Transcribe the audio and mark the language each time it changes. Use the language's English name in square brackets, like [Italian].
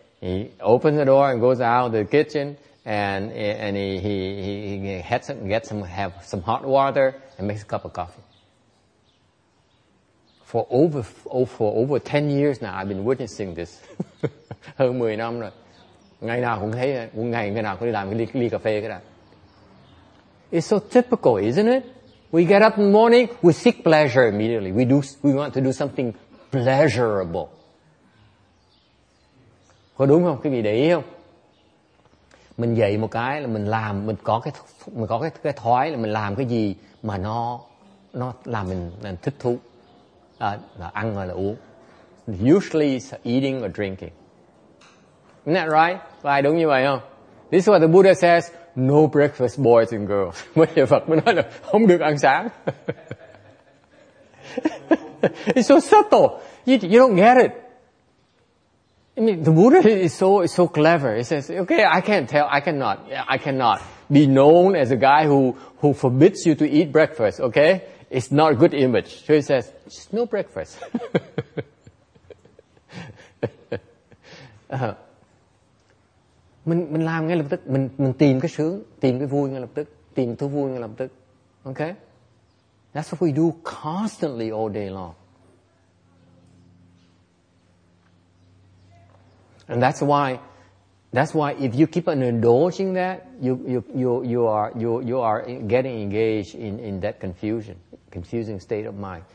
[English] He opens the door and goes out of the kitchen and he gets some hot water and makes a cup of coffee. For over 10 years now I've been witnessing this. [Vietnamese] Hơn 10 năm rồi. Ngày nào cũng thấy, ngày nào cũng đi làm cái ly cà phê cái đó. [English] It's so typical, isn't it? We get up in the morning, we seek pleasure immediately. We want to do something pleasurable. [Vietnamese] Có đúng không? Quý vị để ý không? Mình dạy một cái là mình làm, mình có cái thói là mình làm cái gì mà nó làm mình thích thú. Là ăn hay là uống. [English] Usually it's eating or drinking. Isn't that right? [Vietnamese] Phải đúng như vậy không? [English] This is what the Buddha says, no breakfast boys and girls. [Vietnamese] Bây giờ Phật mới nói là không được ăn sáng. [English] It's so subtle. You don't get it. I mean, the Buddha is so clever. He says, okay, I cannot be known as a guy who forbids you to eat breakfast, okay? It's not a good image. So he says, just no breakfast. [Vietnamese] mình làm ngay lập tức, mình tìm cái sướng, tìm cái vui ngay lập tức, tìm thú vui ngay lập tức. [English] Okay? That's what we do constantly all day long. And that's why if you keep on indulging that, you are getting engaged in that confusing state of mind.